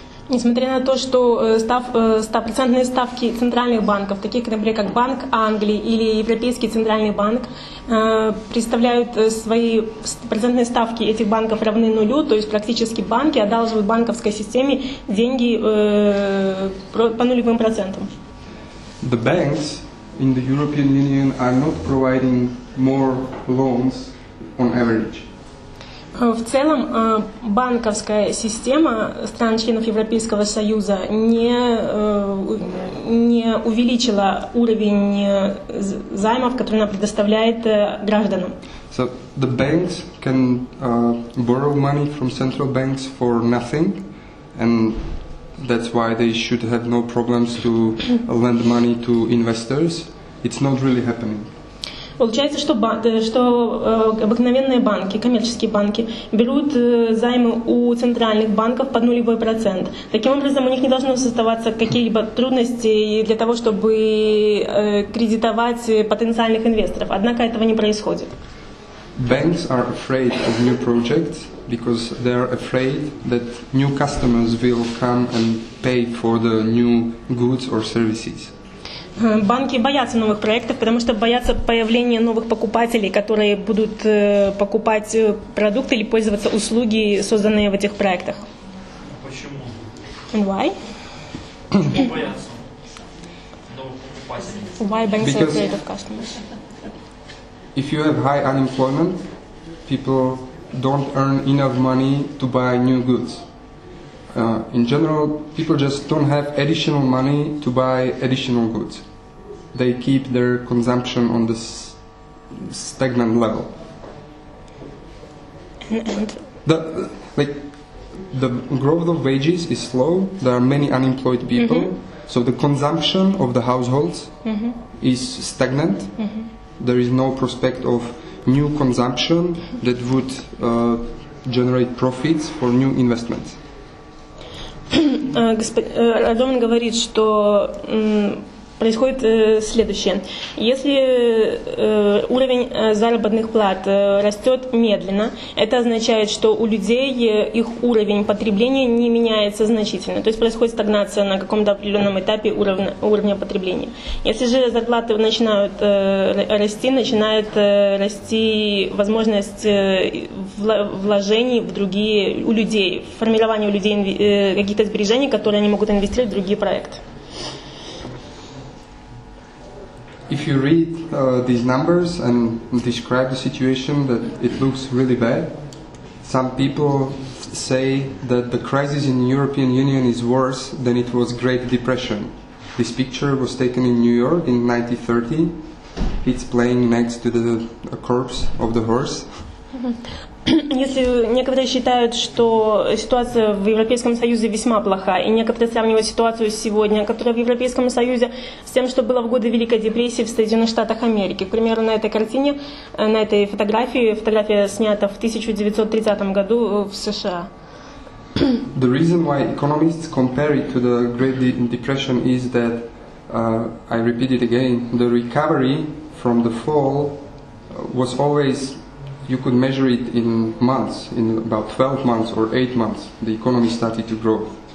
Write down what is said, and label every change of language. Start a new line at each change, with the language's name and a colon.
Russian: Несмотря на то, что 100% ставки центральных банков, таких, например, как Банк Англии или Европейский центральный банк, представляют свои процентные ставки этих банков равны нулю, то есть практически банки одалживают банковской системе деньги по нулевым процентам.
English: The banks in the European Union are not providing more loans on average.
Russian: В целом банковская система стран-членов Европейского Союза не увеличила уровень займов, который она предоставляет гражданам.
English: So the banks can borrow money from central banks for nothing, and that's why they should have no problems to lend money to investors. It's not really happening.
Russian: Получается, что обыкновенные банки, коммерческие банки, берут займы у центральных банков под нулевой процент. Таким образом, у них не должно создаваться какие-либо трудности для того, чтобы кредитовать потенциальных инвесторов. Однако этого не происходит.
English: Banks are afraid of new projects because they are afraid that new customers will come and pay for the new goods or services.
Russian: Банки боятся новых проектов, потому что боятся появления новых покупателей, которые будут покупать продукты или пользоваться услуги, созданные в этих проектах. Почему?
English: And why?
Russian: Почему боятся новых покупателей?
English: Why banks are afraid of customers? If you have high unemployment, people don't earn enough money to buy new goods. In general, people just don't have additional money to buy additional goods. They keep their consumption on this stagnant level. The growth of wages is slow. There are many unemployed people. Mm-hmm. So the consumption of the households mm-hmm. is stagnant. Mm-hmm. There is no prospect of new consumption that would generate profits for new investments.
Russian: Радован говорит, что происходит следующее. Если уровень заработных плат растет медленно, это означает, что у людей их уровень потребления не меняется значительно. То есть происходит стагнация на каком-то определенном этапе уровня потребления. Если же зарплаты начинают расти, начинает расти возможность вложений в другие, у людей, формирование у людей каких-то сбережений, которые они могут инвестировать в другие проекты.
English: If you read these numbers and describe the situation, that it looks really bad. Some people say that the crisis in the European Union is worse than it was Great Depression. This picture was taken in New York in 1930. It's playing next to the corpse of the horse.
Russian: Если некоторые считают, что ситуация в Европейском Союзе весьма плоха, и некоторые сравнивают ситуацию сегодня, которая в Европейском Союзе, с тем, что было в годы Великой депрессии в Соединенных Штатах Америки. К примеру, на этой картине, на этой фотографии, фотография снята в 1930 году в США.
English: The reason why economists compare it to the Great Depression is that, I repeat it again, the recovery from the fall was always... You could measure it in months, in about 12 months or 8 months, the economy started to grow.